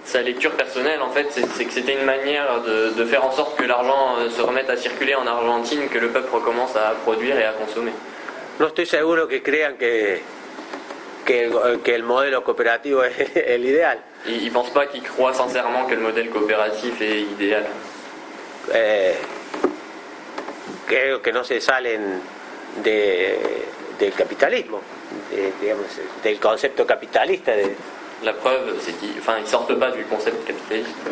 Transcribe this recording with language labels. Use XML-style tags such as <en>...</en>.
<fr>Sa lecture personnelle, en fait, c'est que c'était une manière de faire en sorte que l'argent se remette à circuler en Argentine, que le peuple recommence à produire et à consommer.</fr> <es>No estoy seguro que crean que el modelo cooperativo es el ideal.</es> <fr>Ils pensent pas qu'ils croient sincèrement que le modèle coopératif est idéal.</fr> <es>Creo que no se salen del capitalismo, digamos, del concepto capitalista.</es> <fr>La preuve, c'est qu'ils, enfin, ils sortent pas du concept capitaliste.</fr>